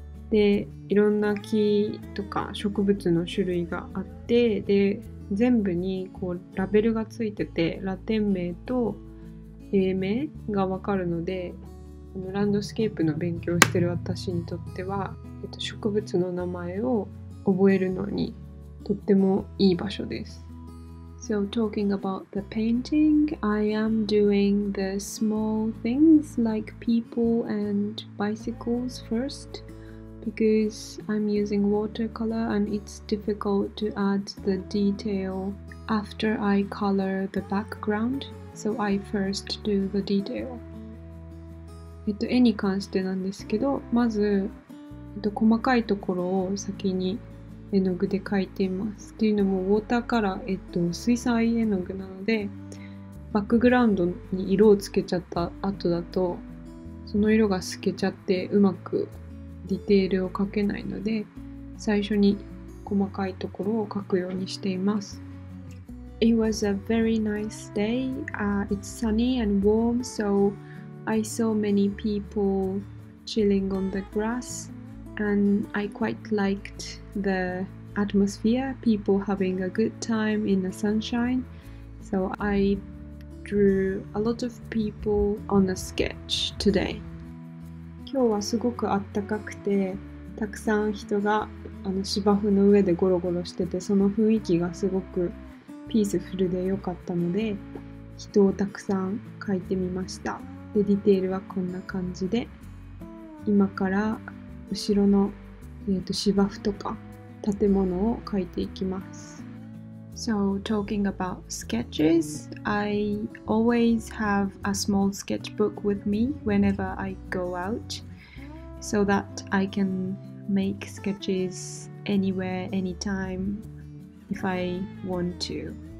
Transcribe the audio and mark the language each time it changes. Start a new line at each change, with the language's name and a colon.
Japanese: で、いろんな木とか植物の種類があって、で、全部にこうラベルがついてて、ラテン名と英名がわかるので、ランドスケープの勉強してる私にとっては、植物の名前を覚えるのにとってもいい場所です。
English: So talking about the painting, I am doing the small things like people and bicycles first. Because I'm using watercolor and it's difficult to add the detail after I color the background, so I first do the detail.
Japanese: 絵に関してなんですけど、まず、細かいところを先に絵の具で描いています。っていうのも、ウォーターカラー、水彩絵の具なので、バックグラウンドに色をつけちゃった後だと、その色が透けちゃってうまくディテールを描けないので、最初に細かいところを描くようにしています。
English: It was a very nice day. It's sunny and warm, so I saw many people chilling on the grass, and I quite liked the atmosphere, people having a good time in the sunshine. So I drew a lot of people on a sketch today.
Japanese: 今日はすごく暖かくて、たくさん人が芝生の上でゴロゴロしてて、その雰囲気がすごくピースフルで良かったので、人をたくさん描いてみました。で、ディテールはこんな感じで、今から後ろの、芝生とか建物を描いていきます。
English: So, talking about sketches, I always have a small sketchbook with me whenever I go out so that I can make sketches anywhere, anytime if I want to.